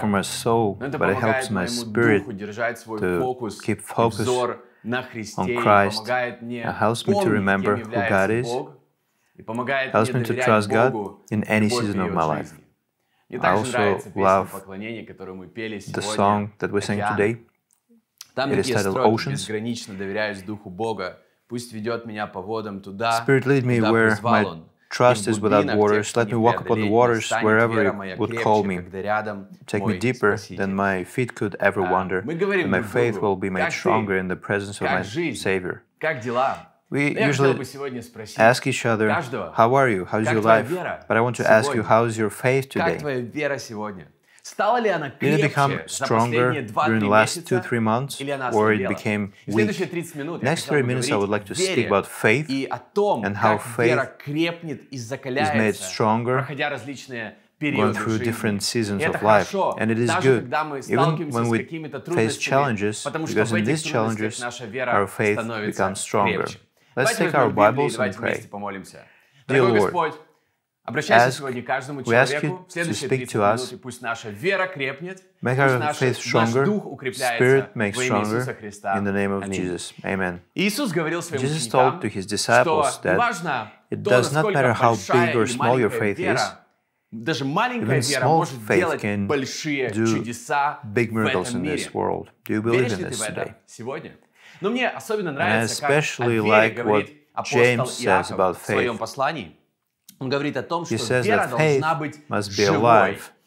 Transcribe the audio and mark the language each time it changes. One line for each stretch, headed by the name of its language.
Russian: но это помогает моему духу держать свой фокус, взор на Христе, помогает мне помнить, кем является Бог, и помогает мне доверять Богу в любовь в ее жизни. Мне также нравится песня поклонения, которую мы пели сегодня, океан. Там такие строки: безгранично доверяюсь Духу Бога, пусть ведет меня по водам туда, куда призвал Он.
English: Trust is without borders. Let me walk upon the waters wherever it would call me. Take me deeper than my feet could ever wander. And my faith will be made stronger in the presence of my Savior. We usually ask each other, how are you? How's your life? But I want to ask you, how's your faith today?
Russian: Стала ли она крепче за последние 2-3 месяца, или она ослабела?
English: Or it became weak.
Russian: Следующие 30 минут я хотел бы говорить о вере
English: speak about faith
Russian: и о том, как вера крепнет и закаляется,
English: made stronger,
Russian: проходя различные
English: going through different seasons of life. And it is good, even when we face challenges, because in these challenges, our faith becomes stronger. Let's take our Bibles and pray. Dear Lord, we ask you to speak to us. Make our faith stronger, spirit make stronger, in the name of Jesus. Amen. Jesus told to his disciples that it does not matter how big or small your faith is,
Russian: даже маленькая Even вера может делать большие чудеса в этом мире. Веришь ли ты в это
English: today?
Russian: Сегодня? Но мне особенно нравится, как о вере like говорит апостол James Иаков в своем послании. Он говорит о том, что вера должна быть живой.